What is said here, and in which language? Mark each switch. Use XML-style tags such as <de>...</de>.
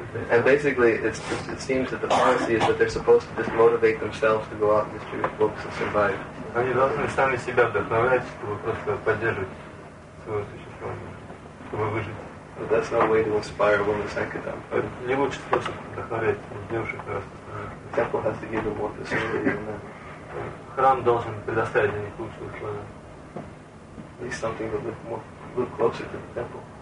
<en>And basically, it seems that the policy is that they're supposed to just motivate themselves to go out and distribute books to survive.</en> <ru>Они должны сами себя вдохновлять, чтобы просто поддерживать свое существование, чтобы выжить.</ru> <en>But that's no way to inspire a woman's sankirtan.</en> <ru>Это не лучший способ вдохновлять девушек на распространение.</ru> <en>Temple has to give them what they need.</en> <ru>Храм должен предоставить для них лучшие условия.</ru> <en>At least something that look closer to the temple.</en>